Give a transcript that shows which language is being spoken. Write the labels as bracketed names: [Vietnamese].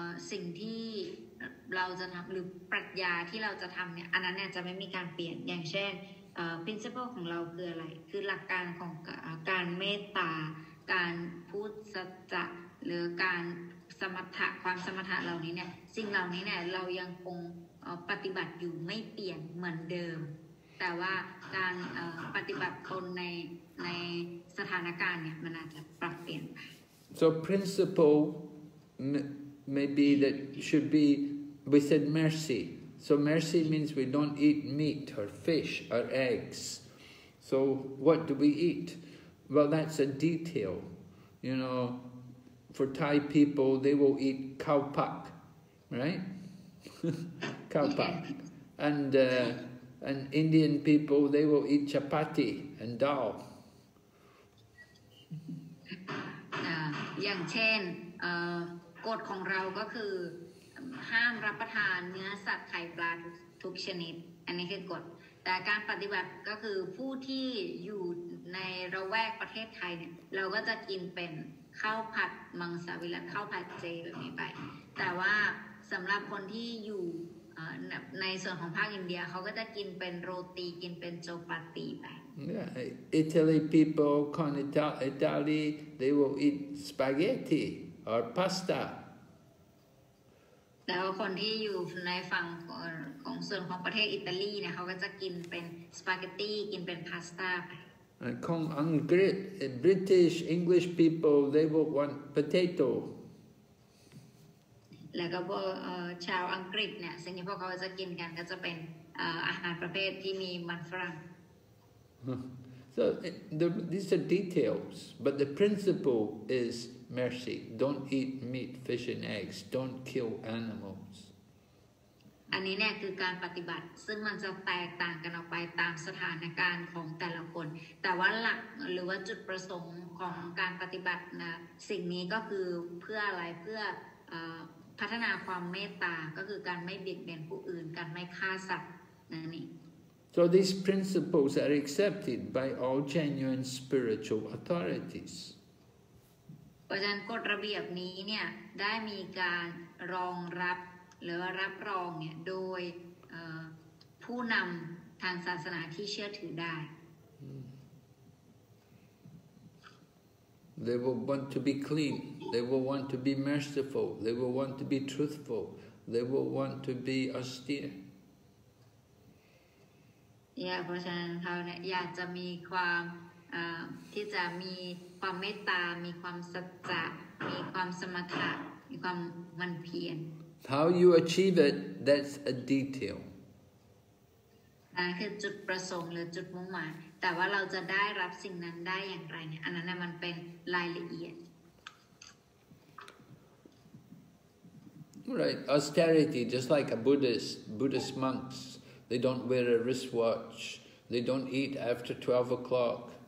[Thai] สิ่งที่เราจะทำหรือปรัชญาที่เราจะทำเนี่ยอันนั้นเนี่ยจะไม่มีการเปลี่ยนอย่างเช่น principle ของเราคืออะไรคือหลักการของการเมตตาการพูดสัจจะหรือการสมถะความสมถะเหล่านี้เนี่ยสิ่งเหล่านี้เนี่ยเรายังคงปฏิบัติอยู่ไม่เปลี่ยนเหมือนเดิมแต่ว่าการปฏิบัติตนในสถานการณ์เนี่ยมันอาจจะปรับเปลี่ยน [English] So principle may be that should be we said mercy so mercy means we don't eat meat or fish or eggs so what do we eat well that's a detail you know for Thai people they will eat cow puck right cow puck andAnd Indian people, they will eat chapati and dal. [Thai] อย่างเช่นกฎของเราก็คือห้ามรับประทานเนื้อสัตว์ไข่ปลาทุกชนิดอันนี้คือกฎแต่การปฏิบัติก็คือผู้ที่อยู่ในระแวกประเทศไทยเนี่ยเราก็จะกินเป็นข้าวผัดมังสวิรัติข้าวผัดเจแบบนี้ไปแต่ว่าสำหรับคนที่อยู่ในส่วนของภาคอินเดียเขาก็จะกินเป็นโรตีกินเป็นโจปาตีไป [English] Italy people con Italy they will eat spaghetti or pasta [Thai] แต่คนที่อยู่ในฝั่งของส่วนของประเทศอิตาลีเนี่ยเขาก็จะกินเป็นสปาเกตตีกินเป็นพาสต้าไป ของอังกฤษ [English] British English people they will want potato [Thai] แล้วก็ชาวอังกฤษเนี่ยสิ่งที่พวกเขาจะกินกันก็จะเป็น อาหารประเภทที่มีมันฝรั่ง [English] So these are details, but the principle is mercy. Don't eat meat, fish, and eggs. Don't kill animals. [Thai] อันนี้เนี่ยคือการปฏิบัติซึ่งมันจะแตกต่างกันออกไปตามสถานการณ์ของแต่ละคนแต่ว่าหลักหรือว่าจุดประสงค์ของการปฏิบัตินะสิ่งนี้ก็คือเพื่ออะไรเพื่อพัฒนาความเมตตาก็คือการไม่เบียดเบียนผู้อื่นการไม่ฆ่าสัตว์นั่นเอง [English] So these principles are accepted by all genuine spiritual authorities. [Thai] เพราะฉะนั้นกฎระเบียบนี้เนี่ยได้มีการรองรับหรือรับรองเนี่ยโดยผู้นำทางศาสนาที่เชื่อถือได้ [English] They will want to be clean. They will want to be merciful. They will want to be truthful. They will want to be austere. [Thai] Yeah, เพราะฉะนั้นเขาเนี่ยอยากจะมีความที่จะมีความเมตตามีความสัจจะมีความสมถะมีความมันเพียร [English] How you achieve it? That's a detail. [Thai] คือจุดประสงค์หรือจุดมุ่งหมายแต่ว่าเราจะได้รับสิ่งนั้นได้อย่างไรเนี่ยอันนั้นมันเป็นรายละเอียด [English] Right austerity just like a Buddhist monks they don't wear a wristwatch they don't eat after 12 o'clock